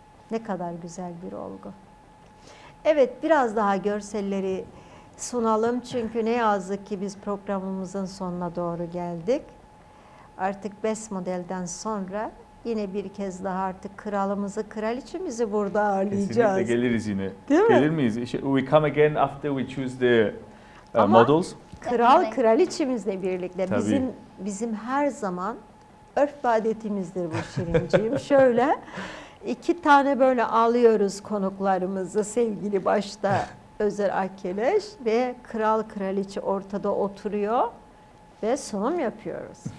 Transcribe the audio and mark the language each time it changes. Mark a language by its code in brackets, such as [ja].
[tr] Ne kadar güzel bir olgu. Evet, biraz daha görselleri sunalım. Çünkü ne yazık ki biz programımızın sonuna doğru geldik. Artık best modelden sonra yine bir kez daha artık kralımızı, kraliçemizi burada ağırlayacağız. Kesinlikle geliriz yine. Değil mi? Gelir miyiz? [en] We come again after we choose the models. [tr] Kral, kraliçemizle birlikte. Tabii. Bizim her zaman örf ve adetimizdir bu Şirinciğim. Şöyle iki tane böyle alıyoruz konuklarımızı, sevgili başta Özer Akkeleş ve kral kraliçe ortada oturuyor ve sunum yapıyoruz.